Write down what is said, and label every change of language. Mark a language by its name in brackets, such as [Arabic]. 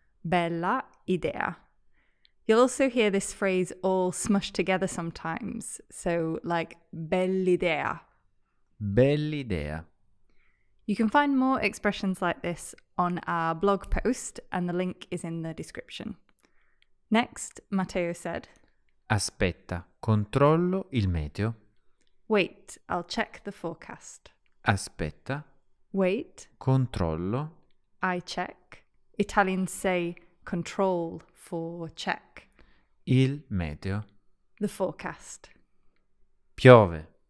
[Italian] Bella idea. [English] You'll also hear this phrase all smushed together sometimes. So, like, bell'idea. [Italian] Bell'idea. [English] You can find more expressions like this on our blog post, and the link is in the description. Next, Matteo said, [Italian] Aspetta, controllo il meteo. [English] Wait, I'll check the forecast. [Italian] Aspetta. [English] Wait. [Italian] Controllo. [English] I check. Italians say control for check. [Italian] Il meteo. [English] The forecast. [Italian] Piove.